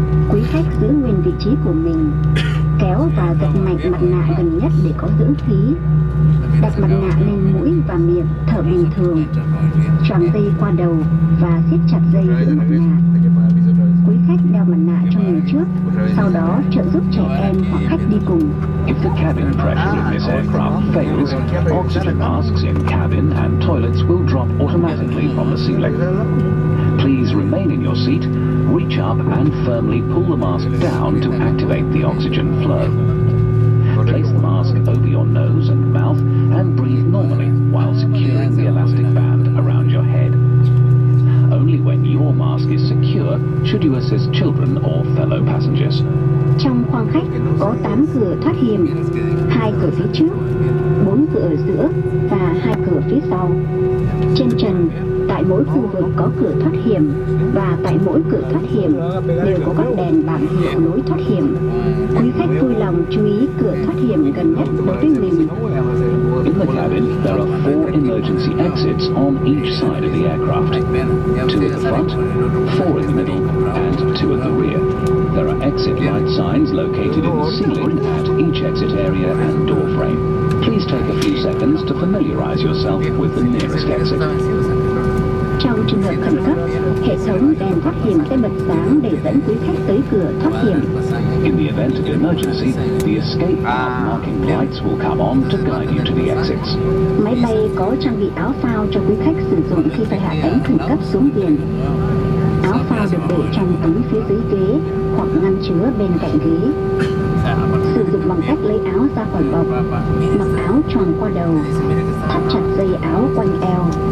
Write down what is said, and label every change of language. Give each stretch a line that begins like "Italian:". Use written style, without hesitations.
Vietnamese: Quý khách giữ nguyên vị trí của mình, kéo và gật mạnh mặt nạ gần nhất để có dưỡng khí. Đặt mặt nạ lên mũi và miệng, thở bình thường, choàng dây qua đầu và siết chặt dây giữ mặt nạ. Quý khách đeo mặt nạ cho người trước, sau đó trợ giúp trẻ em hoặc khách đi cùng.
English: If the cabin pressure of this aircraft fails, oxygen masks in cabin and toilets will drop automatically from the ceiling. Please remain in your seat, reach up and firmly pull the mask down to activate the oxygen flow. Place the mask over your nose and mouth and breathe normally while securing the elastic band around your head. Only when your mask is secure should you assist children or fellow passengers.
Vietnamese: Trong khoang khách có 8 cửa thoát hiểm, 2 cửa phía trước, 4 cửa ở giữa và 2 cửa phía sau. Trên trần, tại mỗi khu vực có cửa thoát hiểm và tại mỗi cửa thoát hiểm đều có các đèn bảng hiệu lối thoát hiểm. Quý khách vui lòng chú ý cửa thoát hiểm gần nhất đối với mình.
English: In the cabin, there are 4 emergency exits on each side of the aircraft. 2 at the front, 4 in the middle, and 2 at the rear. There are exit light signs located in the ceiling at each exit area and door frame. Please take a few seconds to familiarize yourself with the nearest exit.
Vietnamese: Trong trường hợp khẩn cấp, hệ thống đèn thoát hiểm sẽ bật sáng để dẫn quý khách tới cửa thoát hiểm.
English: In the event of emergency, the escape path marking lights will come on to guide you to the exits.
Vietnamese: Máy bay có trang bị áo phao cho quý khách sử dụng khi phải hạ cánh khẩn cấp xuống biển. Áo phao được để trong túi phía dưới ghế hoặc ngăn chứa bên cạnh ghế. Sử dụng bằng cách lấy áo ra khỏi bọc, mặc áo tròn qua đầu, thắt chặt dây áo quanh eo.